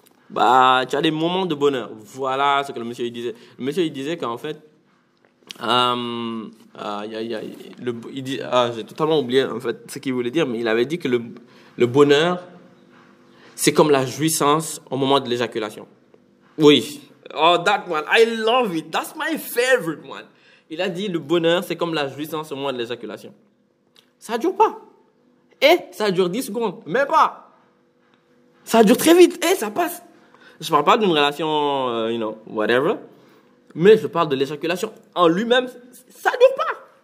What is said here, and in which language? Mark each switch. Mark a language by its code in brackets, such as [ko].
[fr] Bah, tu as des moments de bonheur. Voilà ce que le monsieur il disait. Le monsieur il disait qu'en fait, j'ai totalement oublié en fait ce qu'il voulait dire, mais il avait dit que le bonheur c'est comme la jouissance au moment de l'éjaculation. [en] Oui, oh, that one, I love it, that's my favorite one. [fr] Il a dit le bonheur c'est comme la jouissance au moment de l'éjaculation. Ça dure pas, et ça dure 10 secondes, même pas. Ça dure très vite, et ça passe. Je parle pas d'une relation, [en] you know, whatever. [fr] Mais je parle de l'éjaculation en lui-même, ça ne dure pas.